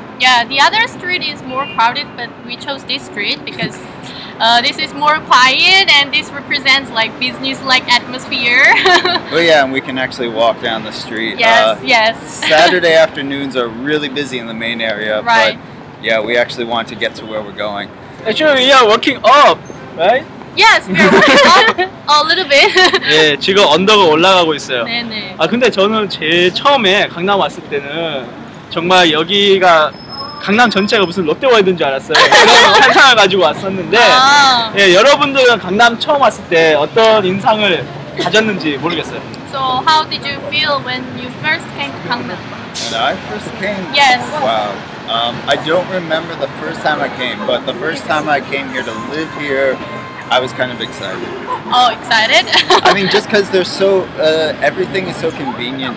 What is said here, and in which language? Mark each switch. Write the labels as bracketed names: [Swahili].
[English] Yeah, the other street is more crowded, but we chose this street because this is more quiet and this represents like business-like atmosphere. Oh yeah, and we can actually walk down the street. Yes. Saturday afternoons are really busy in the main area. Right. But yeah, we actually want to get to where we're going. Actually, yeah, walking up, right? Yes, we're walking up a little bit. [Korean] 네, 지금 언덕을 올라가고 있어요. 네네. 아 근데 저는 제일 처음에 강남 왔을 때는 정말 여기가 강남 전체가 무슨 롯데월드인 줄 알았어요. 이런 상상을 가지고 왔었는데 아. 예, 여러분들은 강남 처음 왔을 때 어떤 인상을 가졌는지 모르겠어요. [English] So how did you feel when you first came to Gangnam? When I first came? Yes. Wow. I don't remember the first time I came, but the first time I came here to live here, I was kind of excited. Oh, excited? I mean, just because there's so, everything is so convenient.